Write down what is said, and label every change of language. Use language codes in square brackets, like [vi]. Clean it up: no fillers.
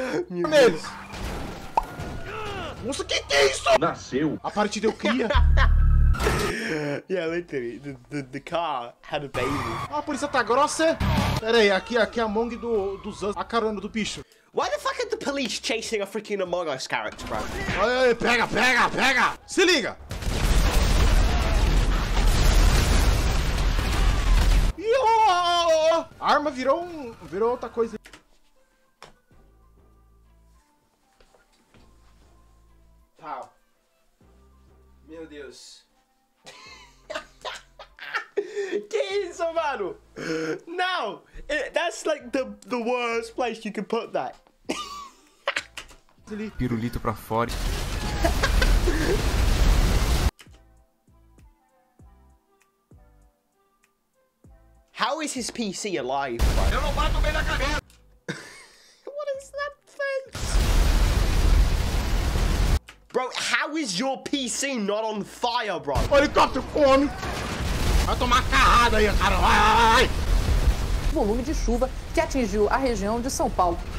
[pt] Meu Deus. Nossa, que é isso? Nasceu. A parte deu cria. [en] Yeah, literally. The car had a baby. [pt] Ah, a polícia tá grossa. Pera aí, aqui é a Mong dos anos. A carona do bicho. [en] Why the fuck are the police chasing a freaking Among Us character, bro? [pt] Olha aí, pega. Se liga. A arma virou outra coisa. Pau. Meu Deus. Que isso, mano? Não! [en] That's like the worst place you can put that. [pt] Pirulito pra fora. [en] How is his PC alive, bro? [pt] Eu não bato bem na cabeça. [en] What is that face? Bro, how is your PC not on fire, bro? [pt] Helicóptero, [en] come! [pt] Vai tomar carrada aí, cara. Vai! volume de chuva que atingiu a região de São Paulo.